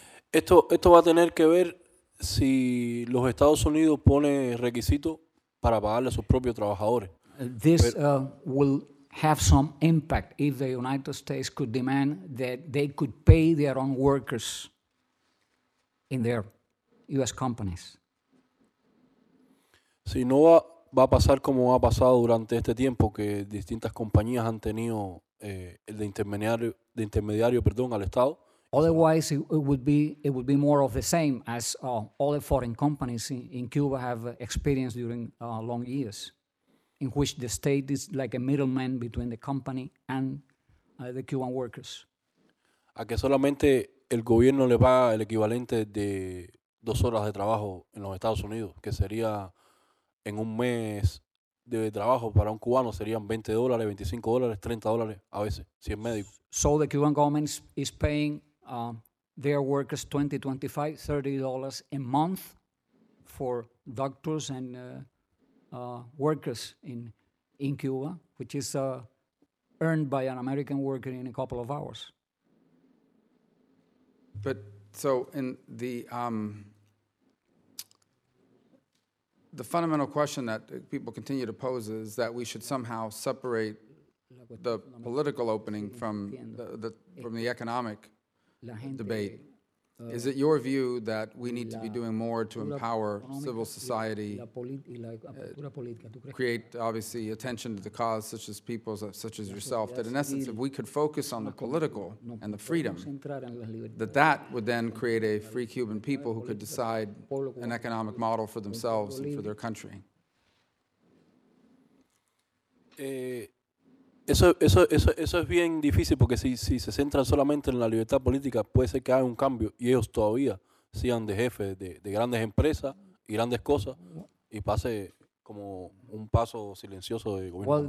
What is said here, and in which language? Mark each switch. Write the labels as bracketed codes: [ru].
[es] Esto va a tener que ver si los Estados Unidos pone requisitos para pagarle a sus propios trabajadores. [en] This will have some impact if the United States could demand that they could pay their own workers in their U.S. companies. [es] Si no va a pasar como ha pasado durante este tiempo que distintas compañías han tenido el de intermediario, al Estado. [en] Otherwise, it would be more of the same as all the foreign companies in Cuba have experienced during long years, in which the state is like a middleman between the company and the Cuban workers. [es] A que solamente el gobierno le paga el equivalente de 2 horas de trabajo en los Estados Unidos, que sería en un mes de trabajo para un cubano serían $20, $25, $30 a veces, si es médico. [en] So the Cuban government is paying their workers $20, $25, $30 a month for doctors and workers in Cuba, which is earned by an American worker in a couple of hours. But so in the fundamental question that people continue to pose is that we should somehow separate the political opening from the economic debate. Is it your view that we need to be doing more to empower civil society, create obviously attention to the cause such as people such as yourself, that in essence if we could focus on the political and the freedom, that would then create a free Cuban people who could decide an economic model for themselves and for their country? [es] Eso es bien difícil porque si se centran solamente en la libertad política puede ser que haya un cambio y ellos todavía sean de jefes de grandes empresas y grandes cosas y pase como un paso silencioso de gobierno.